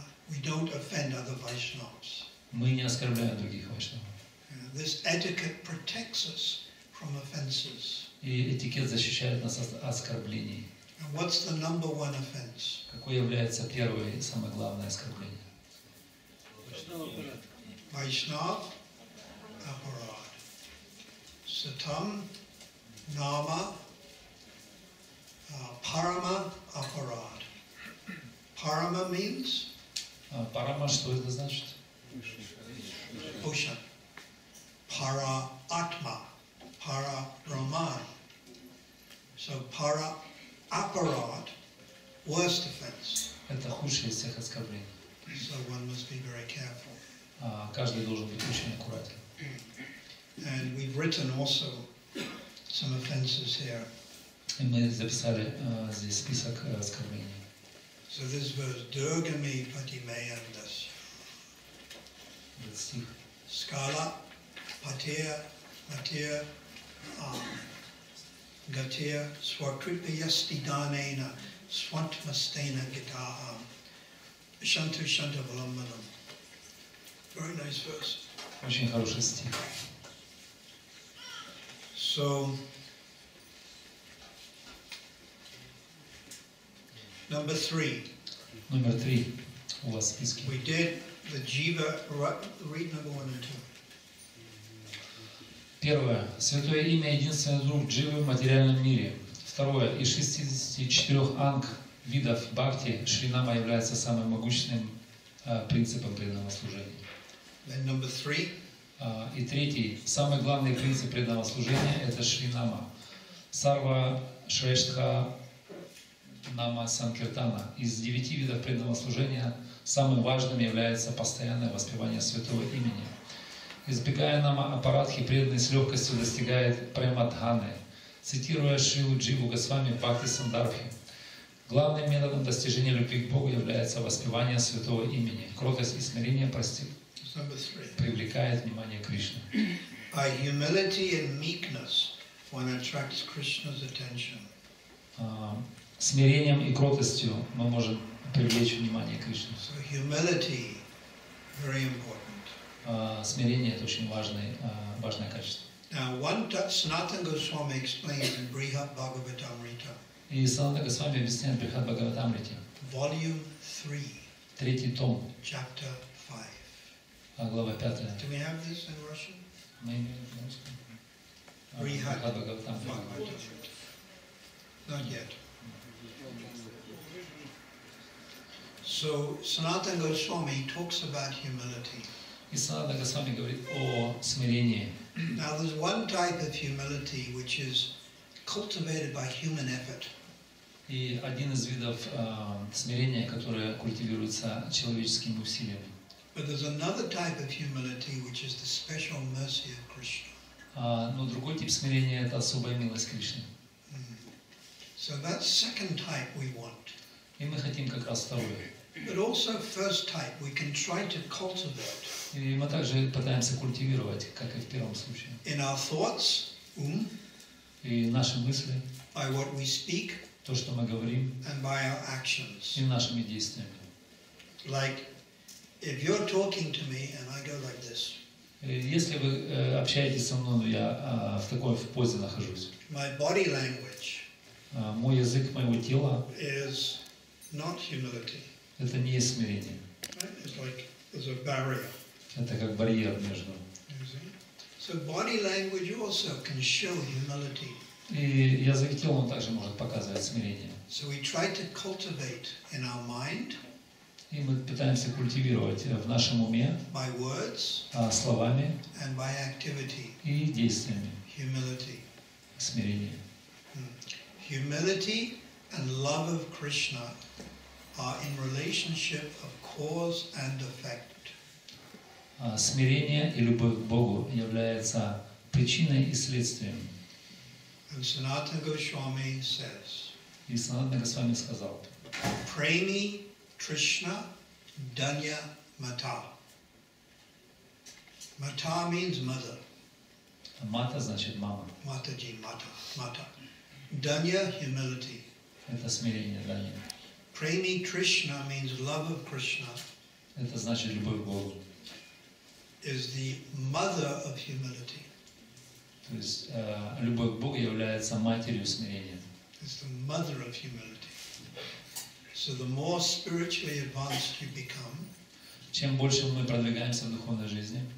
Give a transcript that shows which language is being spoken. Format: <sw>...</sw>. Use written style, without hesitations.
<en>We don't offend other Vaishnavas.</en> <ru>Мы не оскорбляем других Вайшнавов.</ru> <en>This etiquette protects us from offenses.</en> <ru>И этикет защищает нас от оскорблений.</ru> <en>And what's the number one offense?</en> <ru>Какое является первое и самое главное оскорбление?</ru> <sa>Vaishnav aparad. Satam nama parama aparad.</sa> <en>Parama means?</en> <ru>Parama, что это значит?</ru> <sa>Pusha. Para Atma, Para Brahman.</sa> <en>So Para Aparad, worst offense.</en> <ru>Это худшее из всех оскорблений.</ru> <en>So one must be very careful.</en> <ru>Каждый должен быть очень аккуратен.</ru> <en>And we've written also some offenses here.</en> <ru>И мы записали здесь список оскорблений.</ru> <en>So this verse, Durgami Patimeyam Dasya.</en> <ru>Этот стих.</ru> <sa>Скала. Patea, Matea, Gatea, Swakripa Yasti Dhanena, Swantmastena Gitaha, Shanta Shanta Valamanam.</sa> <en>Very nice verse.</en> <ru>Очень хороший стих.</ru> <en>So, number three. Number three.</en> <ru>У вас списки.</ru> <en>We did the Jiva, read number one and two.</en> <ru>Первое. Святое имя – единственный друг Дживы в материальном мире. Второе. Из 64 анг видов бхакти Шринама является самым могущественным принципом преданного служения. Then number three. И третий. Самый главный принцип преданного служения – это Шринама.</ru> <sa>Сарва Шрештха Нама Санкиртана.</sa> <ru>Из 9 видов преданного служения самым важным является постоянное воспевание святого имени. Избегая нама апарадхи, преданный с легкостью достигает према-дханы, цитируя Шрилу Дживу Госвами в Бхакти-сандарбхе. Главным методом достижения любви к Богу является воспевание святого имени. Кротость и смирение привлекает внимание Кришны.</ru> <en>By humility and meekness one attracts Krishna's attention.</en> <ru>Смирением и кротостью мы можем привлечь внимание Кришны.</ru> <en>So humility, very important.</en> <ru>Смирение – это очень важное, важное качество.</ru> <en>Now, Sanatana Goswami explains in Brihat Bhagavatamrita.</en> <ru>И Санатана Госвами объясняет в Брихат Бхагаватамрите.</ru> <en>Volume 3.</en> <ru>Третий том.</ru> <en>Chapter 5.</en> <ru>Глава 5.</ru> <en>Do we have this in Russian?</en> <ru>Мы имеем в русском. Брихат Бхагаватамрита.</ru> <en>Not yet. So, Sanatana Goswami talks about humility.</en> <ru>И Санатана Госвами говорит о смирении.</ru> <en>Now there's one type of humility which is cultivated by human effort.</en> <ru>И один из видов смирения, которое культивируется человеческим усилием.</ru> <en>But there's another type of humility which is the special mercy of Krishna.</en> <ru>Но другой тип смирения – это особая милость Кришны.</ru> <en>So that second type we want.</en> <ru>И мы хотим как раз второе.</ru> <en>But also first type we can try to cultivate.</en> <ru>И мы также пытаемся культивировать, как и в первом случае.</ru> <en>In our thoughts,</en> <ru>и наши мысли.</ru> <en>By what we speak.</en> <ru>То, что мы говорим.</ru> <en>And by our actions.</en> <ru>И нашими действиями.</ru> <en>Like, if you're talking to me and I go like this.</en> <ru>Если вы общаетесь со мной, я в такой позе нахожусь.</ru> <en>My body language.</en> <ru>Мой язык моего тела.</ru> <en>Is not humility.</en> <ru>Это не есть смирение.</ru> <en>It's like,</en> <ru>это как барьер между.</ru> <en>So body language also can show humility.</en> <ru>И язык тела он также может показывать смирение.</ru> <en>So we try to cultivate in our mind.</en> <ru>И мы пытаемся культивировать в нашем уме</ru> <en>by words,</en> <ru>словами</ru> <en>and by activity,</en> <ru>и действиями</ru> <en>humility.</en> <ru>Смирение.</ru> <en>Humility and love of Krishna are in relationship of cause and effect.</en> <ru>Смирение и любовь к Богу является причиной и следствием.</ru> <en>And Sanatana Goswami says,</en> <ru>и Санатана Госвами сказал,</ru> <sa>Прейми Кришна Данья Мата.</sa> <en>Мата means mother.</en> <ru>Мата значит мама.</ru> <sa>Матаджи, мата, мата.</sa> <en>Данья, humility.</en> <ru>Это смирение, данья.</ru> <en>Прейми Кришна means love of Krishna.</en> <ru>Это значит любовь к Богу.</ru> <en>Is the mother of humility.</en> <ru>То есть любовь к Богу является матерью смирения.</ru> <en>It's the mother of humility. So the more spiritually advanced you become,</en> <ru>чем больше мы продвигаемся в духовной жизни,</ru>